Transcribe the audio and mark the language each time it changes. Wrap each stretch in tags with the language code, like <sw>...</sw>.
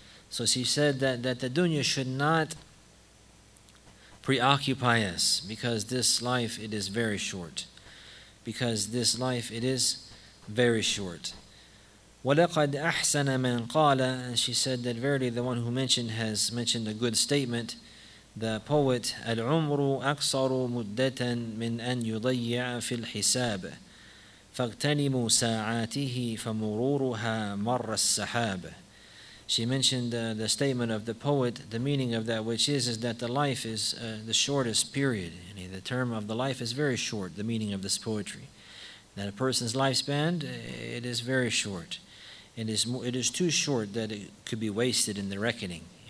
<en>So she said that the dunya should not preoccupy us, because this life, it is very short. Because this life, it is very short.</en> <ar>وَلَقَدْ أَحْسَنَ مَنْ قَالَ.</ar> <en>And she said that verily the one who mentioned has mentioned a good statement. The poet,</en> <ar>الْعُمْرُ أَقْصَرُ مُدَّةً مِنْ أَنْ يُضَيِّعَ فِي الْحِسَابِ فَاغْتَنِمُوا سَاعَاتِهِ فَمُرُورُهَا مَرَّ السَّحَابِ.</ar> <en>She mentioned the statement of the poet, the meaning of that which is that the life is the shortest period. The term of the life is very short, the meaning of this poetry. That a person's lifespan, it is very short. It is too short that it could be wasted in the reckoning.</en>